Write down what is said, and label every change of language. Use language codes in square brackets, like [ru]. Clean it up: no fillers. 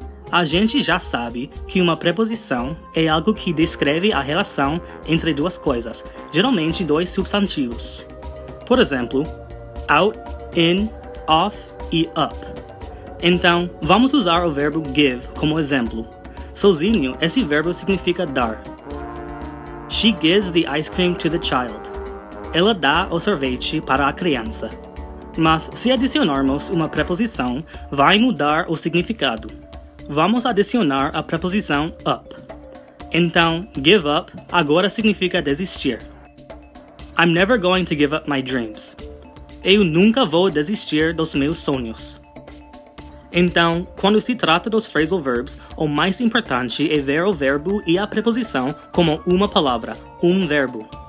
[pt] A gente já sabe que uma preposição é algo que descreve a relação entre duas coisas, geralmente dois substantivos. Por exemplo, out, in, off e up. Então, vamos usar o verbo give como exemplo. Sozinho, esse verbo significa dar. [en] She gives the ice cream to the child. [pt] Ela dá o sorvete para a criança. Mas se adicionarmos uma preposição, vai mudar o significado. Vamos adicionar a preposição up. Então, give up agora significa desistir. [en] I'm never going to give up my dreams. [pt] Eu nunca vou desistir dos meus sonhos. Então, quando se trata dos phrasal verbs, o mais importante é ver o verbo e a preposição como uma palavra, verbo.